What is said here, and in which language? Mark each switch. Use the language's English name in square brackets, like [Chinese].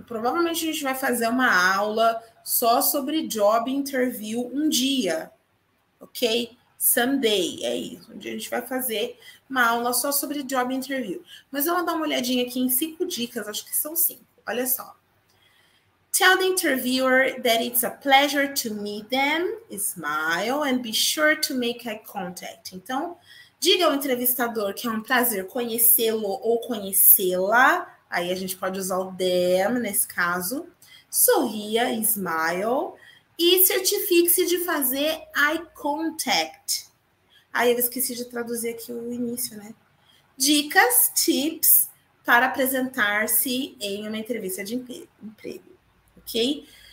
[Portuguese] Provavelmente a gente vai fazer uma aula só sobre job interview um dia, ok? Someday, é isso. Um dia a gente vai fazer uma aula só sobre job interview. Mas vamos dar uma olhadinha aqui em cinco dicas, acho que são cinco. Olha só. [English] Tell the interviewer that it's a pleasure to meet them, smile, and be sure to make eye contact. [Portuguese] Então, diga ao entrevistador que é um prazer conhecê-lo ou conhecê-la. Aí a gente pode usar o them nesse caso. Sorria, smile, e certifique-se de fazer eye contact. Aí eu esqueci de traduzir aqui o início, né? Dicas, tips para apresentar-se em uma entrevista de emprego, ok?